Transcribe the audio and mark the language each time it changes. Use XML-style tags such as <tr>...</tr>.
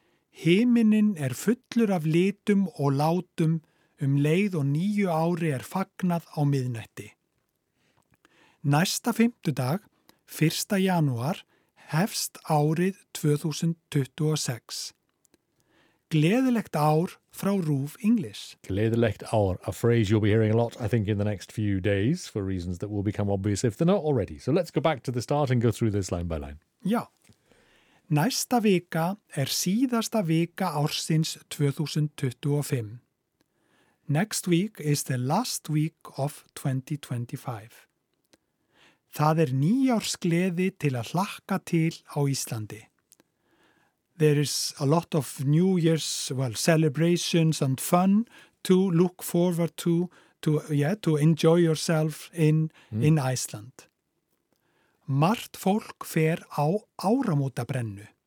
<is>Himinninn fullur af litum og látum leið og nýju ári fagnað á miðnætti. Næsta fimmtudag, 1. janúar, hefst árið 2026. Gleðilegt ár frá RÚV English. Gleðilegt ár,</is> <en>a phrase you'll be hearing a lot, I think, in the next few days for reasons that will become obvious if they're not already. So let's go back to the start and go through this line by line.</en> <is>Já. Næsta vika síðasta vika ársins 2025.</is> <en>Next week is the last week of 2025.</en> <is>Það nýjársgleði til að hlakka til á Íslandi.</is> <en>There is a lot of New Year's celebrations and fun to look forward to enjoy yourself in Iceland.</en> <is>Margt fólk fer á áramótabrennu.</is>